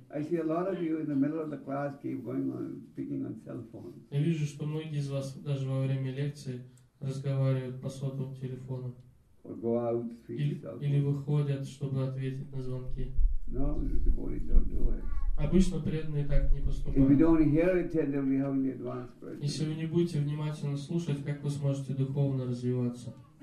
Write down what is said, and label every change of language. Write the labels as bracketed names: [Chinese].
[English] I see a lot of you in the middle of the class keep going on speaking on cell phones. [Russian] Я вижу, что многие из вас даже во время лекции разговаривают по сотовым телефонам. [English] Or go out to speak cell phones. [Russian] Или выходят, чтобы ответить на звонки. [English] No, devotees don't do it. [Russian] Обычно преданные так не поступают. [English] If you don't hear it, then we have the advanced person. [Russian] Если вы не будете внимательно слушать, как вы сможете духовно развиваться?